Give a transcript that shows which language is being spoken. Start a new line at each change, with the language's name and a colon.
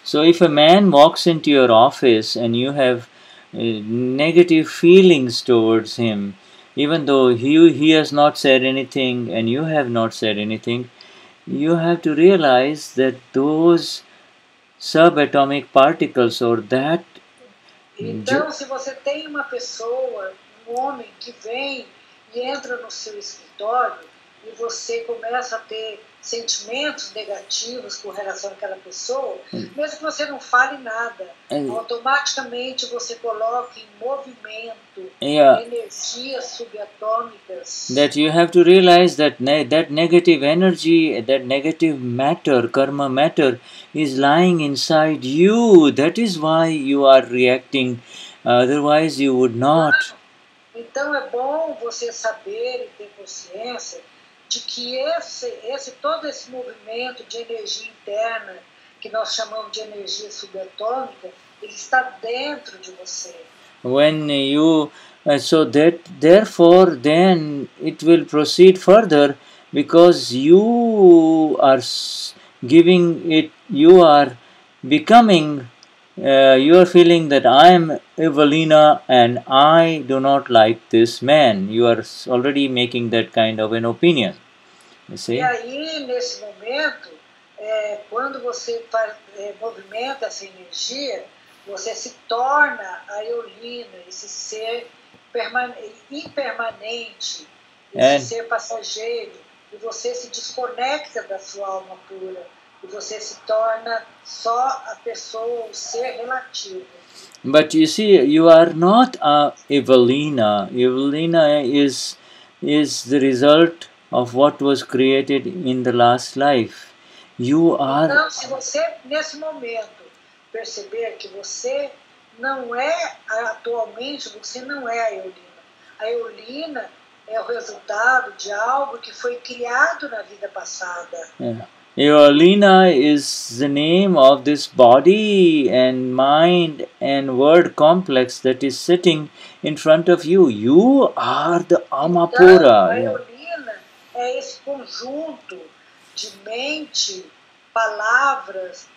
English: So if a man walks into your office and you have negative feelings towards him, even though he has not said anything and you have not said anything, you have to realize that those subatomic particles or that.
Portuguese: Então, se você tem uma pessoa, homem que vem e entra no seu escritório e você começa a ter sentimentos negativos com relação àquela pessoa, mesmo que você não fale nada, automaticamente você coloca em movimento energias subatômicas.
English: That you have to realize that that negative energy, that negative matter, karma matter, is lying inside you. That is why you are reacting. Otherwise, you would not.
Portuguese: Então é bom você saber e ter consciência de que todo esse movimento de energia interna, que nós chamamos de energia subatômica, ele está dentro de você.
English: When you so that therefore then it will proceed further, because you are giving it, you are becoming, you are feeling that I am Evelina and I do not like this man. You are already making that kind of an opinion.
Portuguese: E aí, nesse momento, quando você movimenta essa energia, você se torna a Eulina, esse ser impermanente, ser passageiro, e você se desconecta da sua alma pura, e você se torna só a pessoa, o ser relativo.
English: But you see, you are not a Evelina. Evelina is the result of what was created in the last life. You are.
Portuguese: Então, se você nesse momento perceber que você não é atualmente, você não é a Eulina. A Eulina é o resultado de algo que foi criado na vida passada.
English: Eulina is the name of this body and mind and word complex that is sitting in front of you. You are the Amapura.
Portuguese: Então, é esse conjunto de mente, palavras